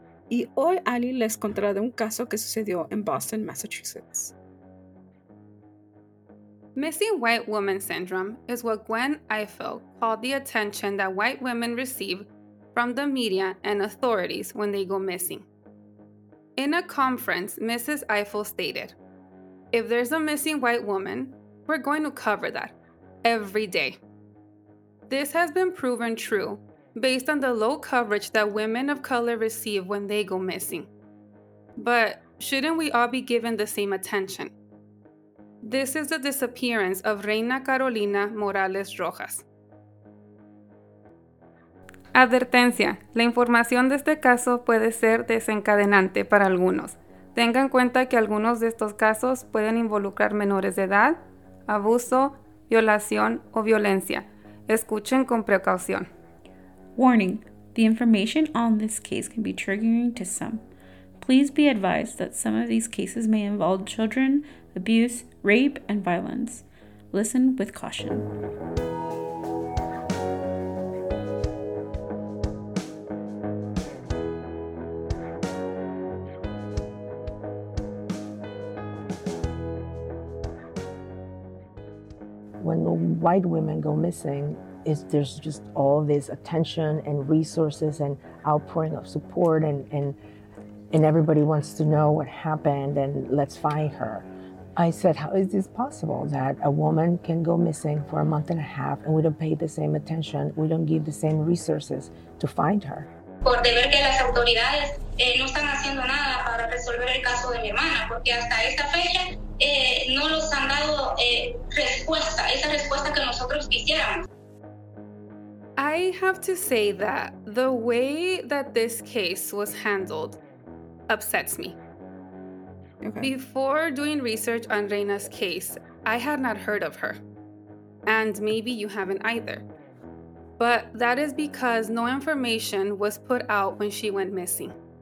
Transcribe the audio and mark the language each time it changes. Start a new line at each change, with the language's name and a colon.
Spanish: Y hoy Ali les contará de un caso que sucedió en Boston, Massachusetts.
English: Missing White Woman Syndrome is what Gwen Ifill called the attention that white women receive from the media and authorities when they go missing. In a conference, Mrs. Ifill stated, "If there's a missing white woman, we're going to cover that every day." This has been proven true based on the low coverage that women of color receive when they go missing. But shouldn't we all be given the same attention? This is the disappearance of Reina Carolina Morales Rojas.
Spanish: Advertencia, la información de este caso puede ser desencadenante para algunos. Tenga en cuenta que algunos de estos casos pueden involucrar menores de edad, abuso, violación o violencia. Escuchen con precaución.
English: Warning, the information on this case can be triggering to some. Please be advised that some of these cases may involve children, abuse, rape, and violence. Listen with caution. When white women go missing, there's just all this attention and resources and outpouring of support and everybody wants to know what happened and let's find her. I said, how is this possible that a woman can go missing for a month and a half and we don't pay the same attention, we don't give the same resources to find her?
Spanish: Por deber que las autoridades no están haciendo nada para resolver el caso de mi hermana, porque hasta esta fecha no nos han dado respuesta, esa respuesta que nosotros quisiéramos.
English: I have to say that the way that this case was handled upsets me. Okay. Before doing research on Reina's case, I had not heard of her. And maybe you haven't either. But that is because no information was put out when she went missing.